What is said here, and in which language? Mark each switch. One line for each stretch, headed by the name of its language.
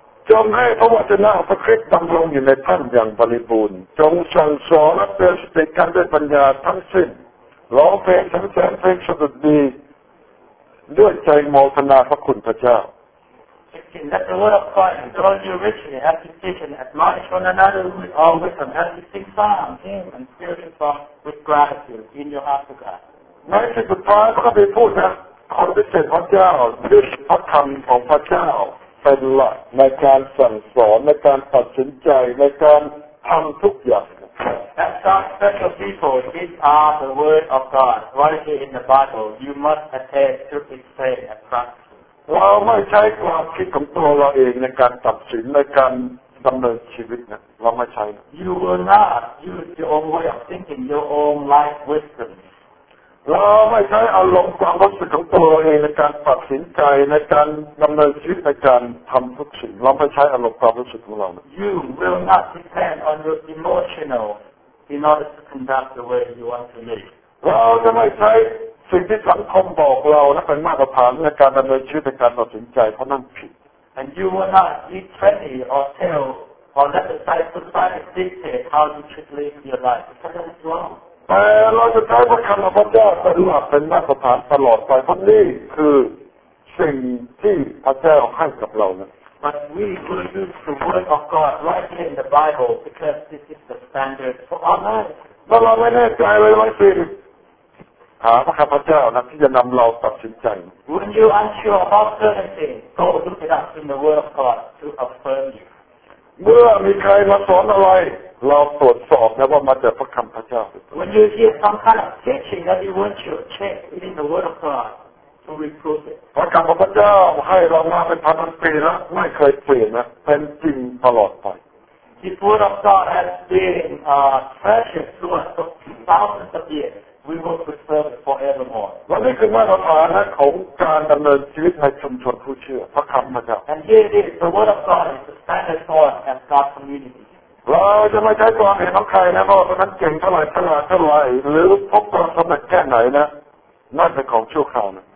Thai: จงให้พระวจนะพระคริสต์ดำรงอยู่ในท่านอย่างบริบูรณ์จงสั่งสอนและเตือนสติกันด้วยปัญญาทั้งสิ้นร้องเพลงทั้งแสนเพลงสดุดดีด้วยใจมอบนาพระคุณพระเจ้า
English: Let the word of God draw you richly as you teach and admonish one another with all wisdom as you sing psalms, hymns, and spiritual songs with gratitude in your heart to God.
Thai: ในสิบท้ายก็ไปพูดนะคนที่เชื่อพระเจ้ายึดพระธรรมของพระเจ้าเป็นหลักในการสั่งสอนในการตัดสินใจในการทำทุกอย่าง
English: That's God's special people. These are the word of God right here in the Bible. You must attend to His say and practice.
Thai: เราไม่ใช้ความคิดของตัวเราเองในการตัดสินในการดำเนินชีวิตนะเราไม่ใช่
English: You will not use your own way of thinking, your own life wisdom.
Thai: เราไม่ใช้อารมณ์ความรู้สึกของตัวเราเองในการตัดสินใจในการดำเนินชีวิตในการทำทุกสิ่งเราไม่ใช้อารมณ์ความรู้สึกของเรา
English: You will not depend on your emotional in order to conduct the way you want to live.
Thai: เราจะไม่ใช้สิ่งที่สังคมบอกเราและเป็นมาตรฐานในการดำเนินชีวิตในการตัดสินใจเพราะนั่นผิด
English: And you will not eat trendy or tell or let the society dictate how you should live your life because that is wrong.
Thai: แต่เราจะใช้พระคำของพระเจ้าเป็นหลักเป็นมาตรฐานตลอดไปเพราะนี่คือสิ่งที่พระเจ้าให้กับเรานะ
English: But we will use the word of God right here in the Bible because this is the standard for our life.
Thai: เราไม่แน่ใจเลยว่าสิ่งหาพระคัมภีร์เจ้านะที่จะนำเราตัดสินใจ
English: When you are unsure about certain things, go look it up in the Word of God to affirm you.
Thai: เมื่อมีใครมาสอนอะไรเราตรวจสอบนะว่ามาจากพระคัมภีร์เจ้า
English: When you hear some kind of teaching that you want to check in the Word of God to reprove it.
Thai: พระคัมภีร์เจ้าให้เรามาเป็นพันปีแล้วไม่เคยเปลี่ยนนะเป็นจริงตลอดไป
English: His Word of God has been precious to us for thousands of years. We will preserve it forevermore.
Thai: และนี่คือมาตรฐานนะของการดำเนินชีวิตในชุมชนผู้เชื่อพระคำพระเจ้า
English: And here it is, the word of God is the standard for us as God's community.
Thai: เราจะไม่ใช้ความเห็นของใครนะว่าคนนั้นเก่งเท่าไหร่ฉลาดเท่าไหร่หรือพบความสำเร็จแค่ไหนนะนั่นเป็นของชั่วคราวนะ